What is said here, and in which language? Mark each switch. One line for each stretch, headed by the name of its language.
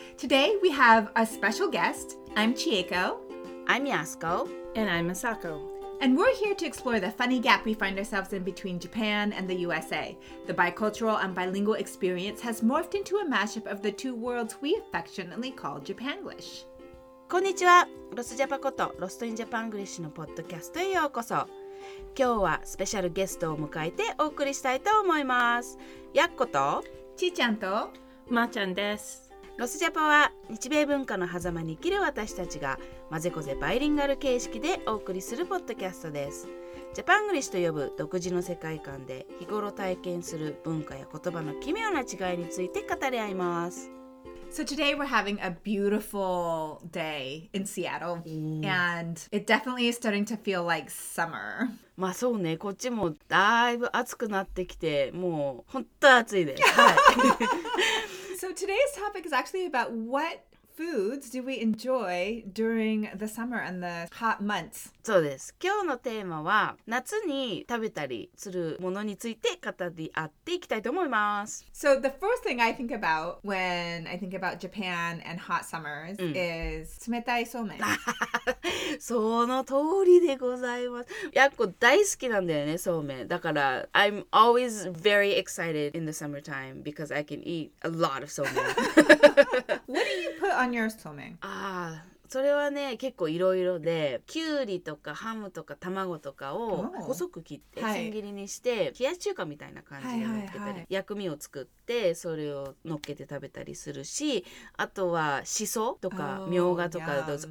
English: Today we have a special guest. I'm Chieko. I'm Yasuko. And I'm Masako. And we're here to explore the funny gap we find ourselves in between Japan and the USA. The bicultural and bilingual experience has morphed into a mashup of the two worlds we affectionately call Japanglish.
Japanese: こんにちは。ロスジャパこと、ロストインジャパングリッシュのポッドキャストへようこそ。今日はスペシャルゲストを迎えてお送りしたいと思います。やっこと、ちーちゃんと、まーちゃんです。ロスジャパは、日米文化の狭間に生きる私たちが、まぜこぜバイリンガル形式でお送りするポッドキャストです。ジャパングリッシュと呼ぶ独自の世界観で、日頃体験する文化や言葉の奇妙な違いについて語り合います。
English: So today we're having a beautiful day in Seattle, and it definitely is starting to feel like summer.
Japanese: まあそうね、こっちもだいぶ暑くなってきて、もう本当暑いです。はい。
English: So today's topic is actually about what foods do we enjoy during the summer and the hot months?
Japanese: そうです。今日のテーマは夏に食べたりするものについて語り合っていきたいと思います。
English: So the first thing I think about when I think about Japan and hot summers is
Japanese: 冷たいそうめん。その通りでございます。やっこ大好きなんだよね、そうめん。
English: だから I'm always very excited in the summertime because I can eat a lot of そうめん。 What do you put on your そうめん？
Japanese: ああ、それはね、結構いろいろで、きゅうりとかハムとか卵とかを細く切って、千切りにして、はい、冷やし中華みたいな感じで乗っけたり、はいはいはい、薬味を作って、それを乗っけて食べたりするし、あとはしそとか、みょうがとか、yeah.